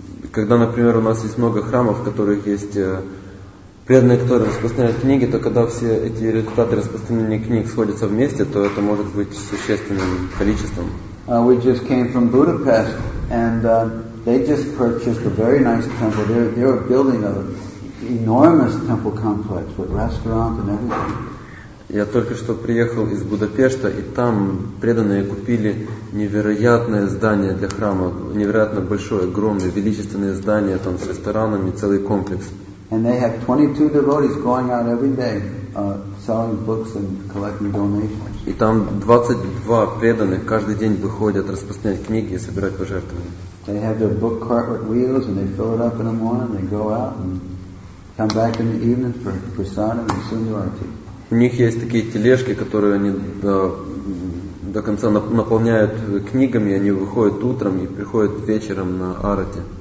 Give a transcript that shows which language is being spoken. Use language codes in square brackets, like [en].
[ru] Когда, например, у нас есть много храмов, в которых есть преданные, которые распространяют книги, то когда все эти результаты распространения книг сходятся вместе, то это может быть существенным количеством. [en] We just came from Budapest, and they just purchased a very nice temple. They're building an enormous temple complex with restaurants and everything. [ru] Я только что приехал из Будапешта, и там преданные купили невероятное здание для храма, невероятно большое, огромное, величественное здание там с ресторанами, целый комплекс. [en] And they have 22 devotees going out every day. Selling books and collecting donations. [ru] И там 22 преданных каждый день выходят распространять книги и собирать пожертвования. [en] They have their book cart with wheels and they fill it up in the morning. They go out and come back in the evening for prasadam and sundarati. [ru] У них есть такие тележки, которые они до конца наполняют книгами. Они выходят утром и приходят вечером на арати.